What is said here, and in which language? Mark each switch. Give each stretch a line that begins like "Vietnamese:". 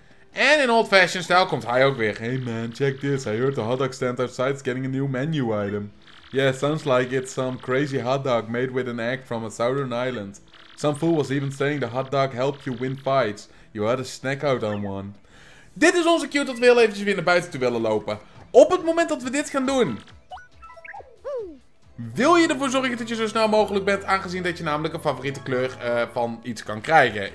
Dutch: En in
English: old fashioned
Dutch: stijl komt hij ook weer.
English: Hey man, check this. I heard the hot dog stand outside is getting a new menu item. Yeah, sounds like it's some crazy hot dog made with an egg from a southern island. Some fool was even saying the hot dog helped you win fights. You had a snack out on one.
Dutch: Dit is onze cue dat we heel eventjes weer naar buiten toe willen lopen. Op het moment dat we dit gaan doen... Wil je ervoor zorgen dat je zo snel mogelijk bent... aangezien dat je namelijk een favoriete kleur van iets kan krijgen...